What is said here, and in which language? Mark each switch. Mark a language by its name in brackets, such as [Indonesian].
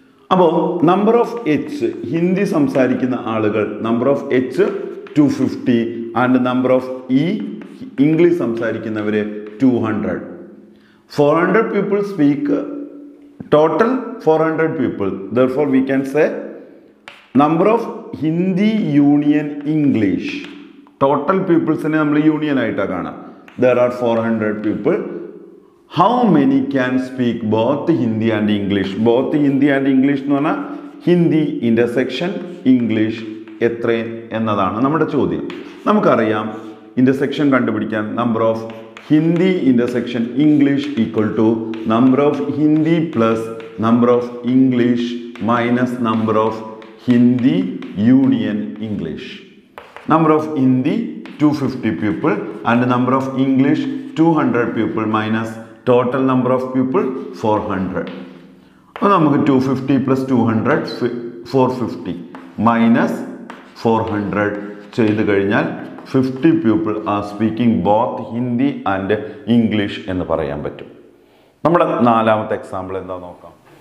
[Malayalam] അപ്പോൾ number of H Hindi സംസാരിക്കുന്ന ആളുകൾ, number of H 250 and number of E English സംസാരിക്കുന്നവർ 200. [English] 400 people speak total 400 people. Therefore we can say number of Hindi union English. [Malayalam] Total പീപ്പിൾസിനെ നമ്മൾ union ആയിട്ടാണ് കാണാം. [English] There are 400 people. How many can speak both Hindi and English? Both Hindi and English [Malayalam] എന്ന് പറഞ്ഞാൽ Hindi intersection English എത്ര എന്നതാണ് നമ്മുടെ ചോദ്യം. നമുക്കറിയാം ഇൻ്റർസെക്ഷൻ കണ്ടുപിടിക്കാൻ [English] Number of Hindi intersection English equal to number of Hindi plus number of English minus number of Hindi union English. Number of Hindi 250 people and number of English 200 people minus total number of people 400. [Malayalam] അപ്പോൾ നമുക്ക് 250 plus 200 450 minus 400 ചെയ്ത് കഴിഞ്ഞാൽ [English] 50 people are speaking both Hindi and English [Malayalam] എന്ന് പറയാൻ പറ്റും. നമ്മുടെ നാലാമത്തെ example എന്താ നോക്കാം.